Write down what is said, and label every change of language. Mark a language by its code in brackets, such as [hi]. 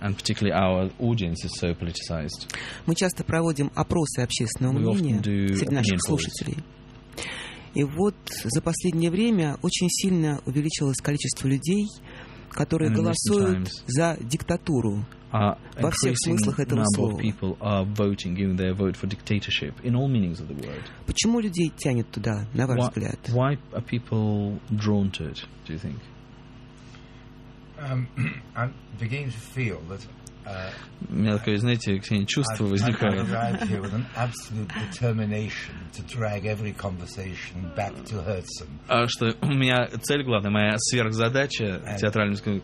[en] and particularly our audience is so politicized, [ru] мы часто проводим опросы общественного мнения среди наших слушателей. И вот за последнее время очень сильно увеличилось количество людей, которые голосуют за диктатуру. Во всех смыслах этого слова. [en] People are voting, giving their vote for dictatorship in all meanings of the word. [ru] Почему людей тянет туда, на ваш взгляд? [en] Why are people drawn to it, do you think? I'm beginning to feel that. [ru] У меня такое, знаете, Ксения, чувство возникает. [en] Here with an absolute determination to drag every conversation back to Herzen. [ru] Что у меня цель главная, моя сверхзадача театральная.